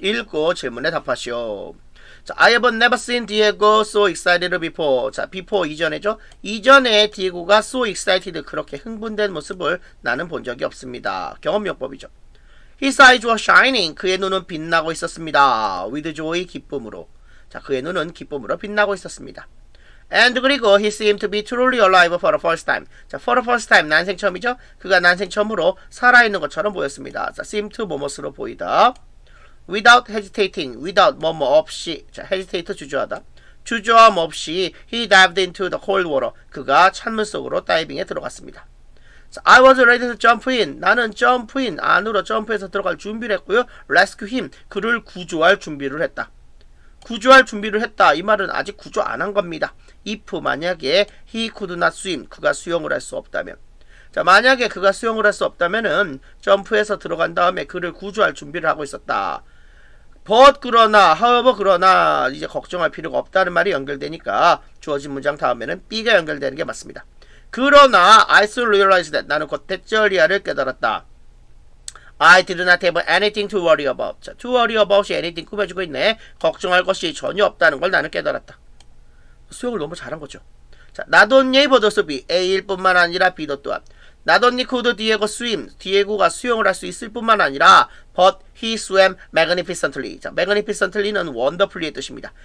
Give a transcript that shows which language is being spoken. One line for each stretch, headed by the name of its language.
Korean: 읽고 질문에 답하시오.
English: 자, I have never seen Diego so excited before.
Korean: 자, before 이전에죠? 이전에 Diego가
English: so excited,
Korean: 그렇게 흥분된 모습을 나는 본 적이 없습니다. 경험요법이죠.
English: His eyes were shining.
Korean: 그의 눈은 빛나고 있었습니다.
English: With joy, 기쁨으로.
Korean: 자, 그의 눈은 기쁨으로 빛나고 있었습니다.
English: And 그리고 he seemed to be truly alive for the first time. 자, for the first time,
Korean: 난생 처음이죠? 그가 난생 처음으로 살아있는 것처럼 보였습니다. 자, seem to 뭐뭐스로 보이다.
English: Without hesitating,
Korean: without 뭐뭐 없이. 자, hesitate, 주저하다. 주저함 없이
English: he dived into the cold water.
Korean: 그가 찬물 속으로 다이빙에 들어갔습니다.
English: 자, I was ready to jump in. 나는 jump in,
Korean: 안으로 점프해서 들어갈 준비를 했고요.
English: Rescue him,
Korean: 그를 구조할 준비를 했다. 구조할 준비를 했다. 이 말은 아직 구조 안 한 겁니다. If 만약에
English: he could not swim,
Korean: 그가 수영을 할 수 없다면. 자, 만약에 그가 수영을 할 수 없다면은 점프해서 들어간 다음에 그를 구조할 준비를 하고 있었다. But 그러나, however 그러나 이제 걱정할 필요가 없다는 말이 연결되니까 주어진 문장 다음에는 B가 연결되는 게 맞습니다. 그러나
English: I soon realized that,
Korean: 나는 곧 대절이야를 깨달았다.
English: I did not have anything to worry about.
Korean: 자,
English: to worry about
Korean: 이 anything 꾸며주고 있네. 걱정할 것이 전혀 없다는 걸 나는 깨달았다. 수영을 너무 잘한 거죠. 자,
English: not only able to be
Korean: A일 뿐만 아니라 B도 또한.
English: Not only could Diego swim,
Korean: Diego가 수영을 할 수 있을 뿐만 아니라
English: but he swam magnificently.
Korean: 자, magnificently는 wonderfully의 뜻입니다.